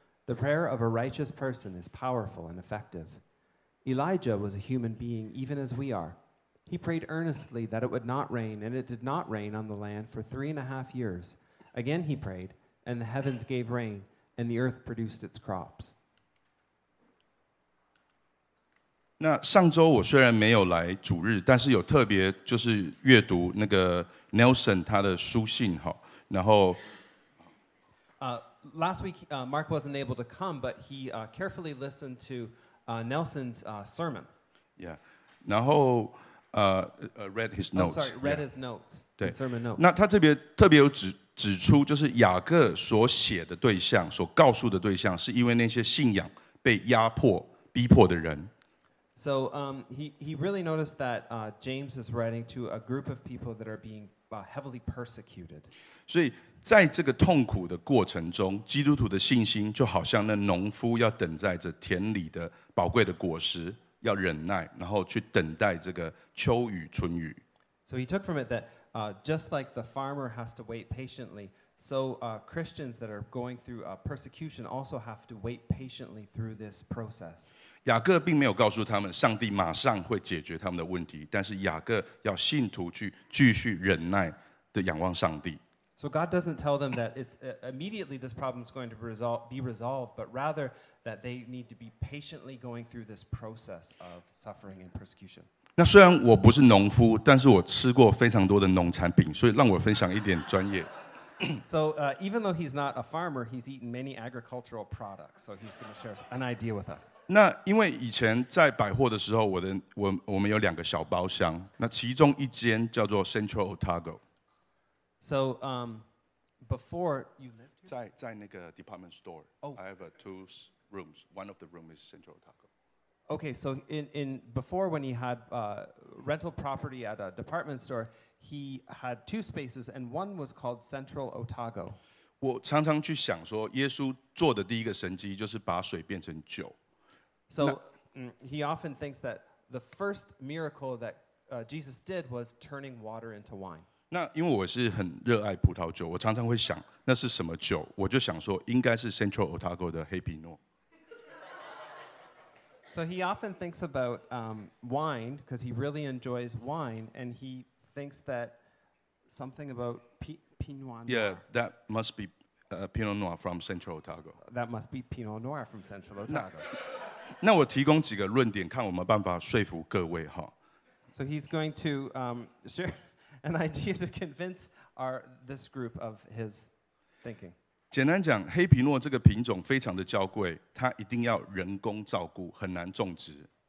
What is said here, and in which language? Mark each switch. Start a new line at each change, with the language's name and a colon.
English: The prayer of a righteous person is powerful and effective. Elijah was a human being even as we are. He prayed earnestly that it would not rain, and it did not rain on the land for 3.5 years. Again he prayed, and the heavens gave rain, and the earth produced its crops.
Chinese: 那上周我虽然没有来主日，但是有特别就是阅读那个 Nelson 他的书信哈，然后。
English: Last week, Mark wasn't able to come, but he carefully listened to Nelson's sermon. Yeah.
Chinese: 然后,
English: read his notes. Oh, sorry, read his notes. Yeah. His sermon notes.
Chinese: 那他特别, 特别有指, 指出就是雅各所写的对象, 所告诉的对象, 是因为那些信仰被压迫, 逼迫的人。
English: So he really noticed that James is writing to a group of people that are being heavily persecuted.
Chinese: 所以在这个痛苦的过程中，基督徒的信心就好像那农夫要等待着田里的宝贵的果实，要忍耐，然后去等待这个秋雨春雨。
English: So he took from it that, just like the farmer has to wait patiently, so Christians that are going through persecution also have to wait patiently through this process.
Chinese: 雅各并没有告诉他们上帝马上会解决他们的问题，但是雅各要信徒去继续忍耐的仰望上帝。
English: So God doesn't tell them that it's immediately this problem is going to be resolved, but rather that they need to be patiently going through this process of suffering and persecution.
Chinese: 那虽然我不是农夫，但是我吃过非常多的农产品，所以让我分享一点专业。
English: So even though he's not a farmer, he's eaten many agricultural products, so he's going to share an idea with us.
Chinese: 那因为以前在百货的时候，我们有两个小包厢，那其中一间叫做 Central Otago。
English: So, before you lived here?
Chinese: 在那个
English: department store. Oh. I have two rooms. One of the rooms is Central Otago. Okay, so in before when he had rental property at a department store, he had two spaces, and one was called Central Otago.
Chinese: 我常常去想说，耶稣做的第一个神迹就是把水变成酒。
English: So, he often thinks that the first miracle that Jesus did was turning water into wine.
Chinese: 那因为我是很热爱葡萄酒，我常常会想那是什么酒，我就想说应该是 Central Otago 的黑皮诺。
English: So he often thinks about wine because he really enjoys wine, and he thinks that something about Pinot Noir. Yeah, that must be Pinot Noir from Central Otago. That must be Pinot Noir from Central Otago.
Chinese: 那我提供几个论点，看我们办法说服各位哈。
English: So he's going to share an idea to convince this group of his thinking.
Chinese: 简单讲，黑皮诺这个品种非常的娇贵，它一定要人工照顾，很难种植。